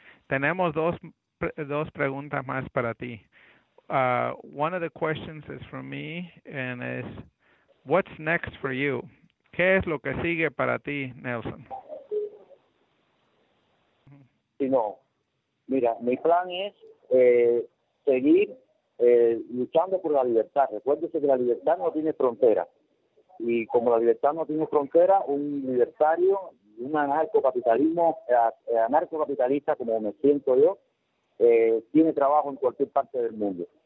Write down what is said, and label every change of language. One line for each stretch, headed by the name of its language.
Spanish: Tenemos dos preguntas más para ti.
English: One of the questions is from me, and is, what's next for you?
Spanish: ¿Qué es lo que sigue para ti, Nelson? Sino, mira, mi plan es seguir luchando por la libertad. Recuérdese que la libertad no tiene frontera. y como la libertad no tiene frontera, un libertario, un anarcocapitalismo, anarcocapitalista como me siento yo, tiene trabajo en cualquier parte del mundo.